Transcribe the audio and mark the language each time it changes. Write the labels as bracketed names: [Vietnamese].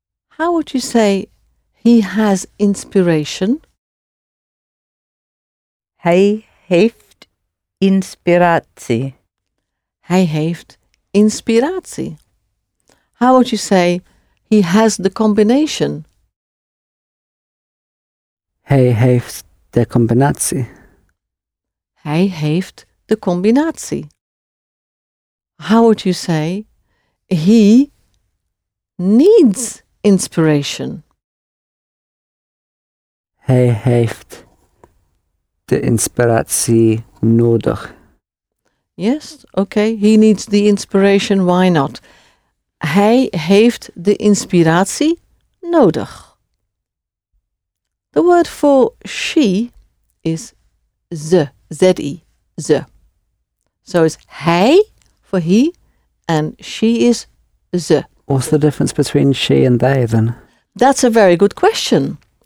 [English] How would you say he has inspiration? [Dutch] Hij heeft inspiratie. Hij heeft inspiratie. [English] How would you say he has the combination? [Dutch] Hij heeft de combinatie. Hij heeft de combinatie. [English] How would you say he needs inspiration? [Dutch] Hij heeft de inspiratie nodig. [English] Yes, okay. He needs the inspiration. Why not? [Dutch] Hij heeft de inspiratie nodig. [English] The word for she is ze, z-e, ze. So it's hij for he and she is ze. What's the difference between she and they then? That's a very good question.